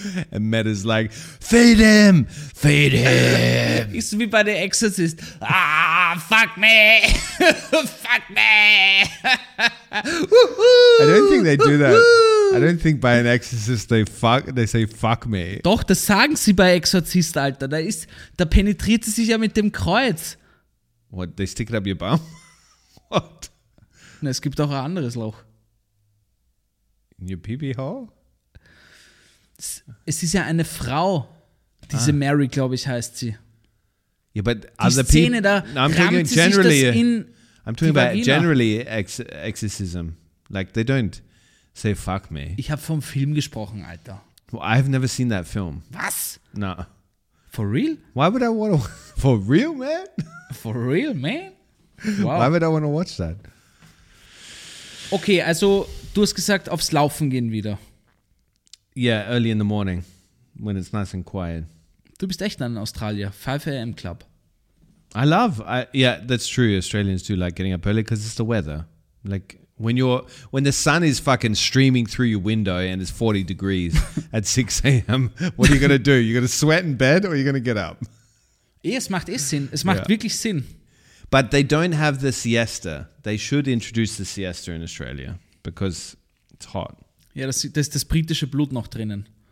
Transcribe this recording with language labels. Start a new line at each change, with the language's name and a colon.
English: And Matt is like, feed him, feed him.
German: Ist wie bei The Exorcist. Ah,
English: fuck me, fuck me. I don't think they do that. I don't think by an exorcist they say fuck me.
German: Doch, das sagen sie bei Exorzist, Alter. Da penetriert sie sich ja mit dem Kreuz.
English: What, they stick it up your bum? What?
German: Na, es gibt auch ein anderes Loch.
English: In your pee-pee hole?
German: Es ist ja eine Frau, diese ah. Mary, glaube ich, heißt sie.
English: Yeah, but
German: die Szene, da no, rammt sie generally, sich das in
English: I'm talking about Vagina. Generally exorcism. Like, they don't say fuck me.
German: Ich habe vom Film gesprochen, Alter.
English: Well, I've never seen that film.
German: Was?
English: No. For real? Why would I want to... For real, man? For real, man? Wow. Why would I want to watch that?
German: Okay, also du hast gesagt, aufs Laufen gehen wieder.
English: Yeah, early in the morning, when it's nice and quiet.
German: Du bist echt ein Australier, 5 a.m. Club.
English: Yeah, that's true. Australians do like getting up early because it's the weather. Like, when the sun is fucking streaming through your window and it's 40 degrees at 6 a.m., what are you going to do? You're going to sweat in bed or are you going to get up?
German: Es macht eh Sinn. Es macht wirklich Sinn.
English: But they don't have the siesta. They should introduce the siesta in Australia because it's hot.
German: Ja, das ist das britische Blut noch drinnen.